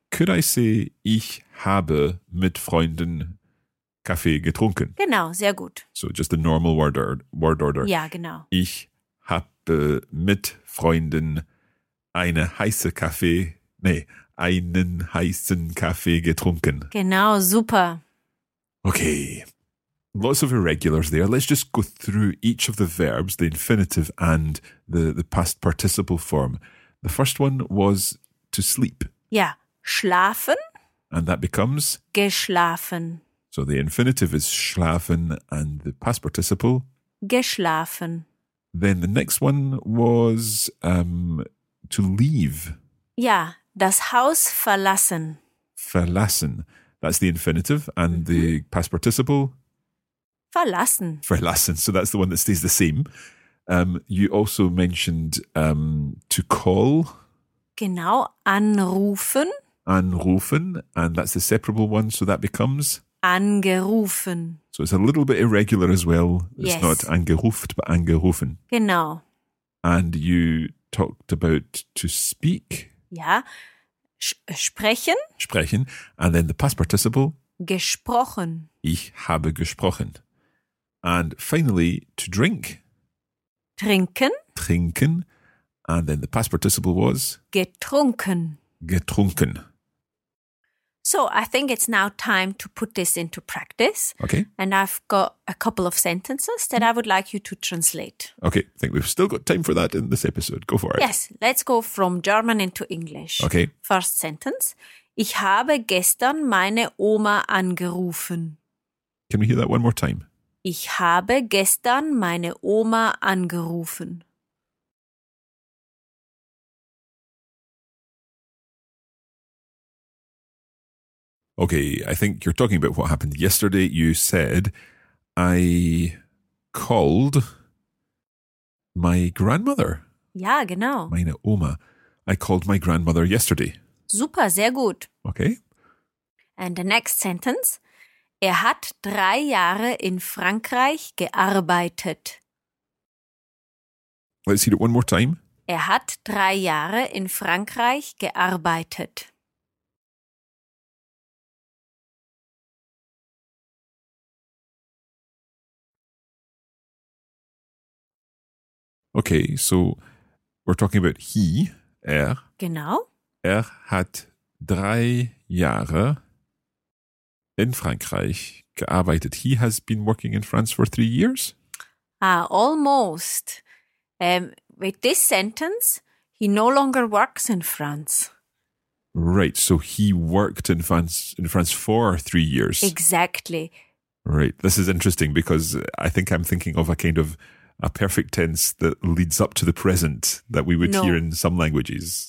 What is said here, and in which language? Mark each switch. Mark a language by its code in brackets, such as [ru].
[en] Could I say, [de] ich habe mit Freunden Kaffee getrunken? Genau, sehr gut. [en] So just the normal word order. [de] Ja, genau. Ich habe mit Freunden einen heißen Kaffee getrunken. Genau, super. [en] Okay, lots of irregulars there. Let's just go through each of the verbs, the infinitive and the past participle form. The first one was to sleep. [de] Yeah, schlafen. [en] And that becomes? [de] Geschlafen. [en] So the infinitive is schlafen and the past participle? [de] Geschlafen. [en] Then the next one was to leave. [de] Yeah, das Haus verlassen. Verlassen. [en] That's the infinitive and the past participle? [de] Verlassen. Verlassen. [en] So that's the one that stays the same. You also mentioned to call. [de] Genau, anrufen. [en] Anrufen, and that's the separable one, so that becomes? [de] Angerufen. [en] So it's a little bit irregular as well. It's yes. Not angeruft, but angerufen. [de] Genau. [en] And you talked about to speak. [de] Ja, sprechen. [en] Sprechen, and then the past participle? [de] Gesprochen. Ich habe gesprochen. [en] And finally, to drink. [de] Trinken. [en] Trinken. And then the past participle was? [de] Getrunken. Getrunken. [en] So I think it's now time to put this into practice. Okay. And I've got a couple of sentences that I would like you to translate. Okay. I think we've still got time for that in this episode. Go for it. Yes. Let's go from German into English. Okay. First sentence. [de] Ich habe gestern meine Oma angerufen. [en] Can we hear that one more time? [de] Ich habe gestern meine Oma angerufen. [en] Okay, I think you're talking about what happened yesterday. You said, I called my grandmother. [de] Ja, genau. Meine Oma. [en] I called my grandmother yesterday. [de] Super, sehr gut. [en] Okay. And the next sentence. [de] Er hat 3 Jahre in Frankreich gearbeitet. [en] Let's hear it one more time. [de] Er hat 3 Jahre in Frankreich gearbeitet. [en] Okay, so we're talking about er. [de] Genau. Er hat 3 Jahre in Frankreich gearbeitet. [en] He has been working in France for 3 years? Almost. With this sentence, He no longer works in France. Right, so he worked in France for 3 years. Exactly. Right, this is interesting because I think I'm thinking of a kind of a perfect tense that leads up to the present that we would hear in some languages.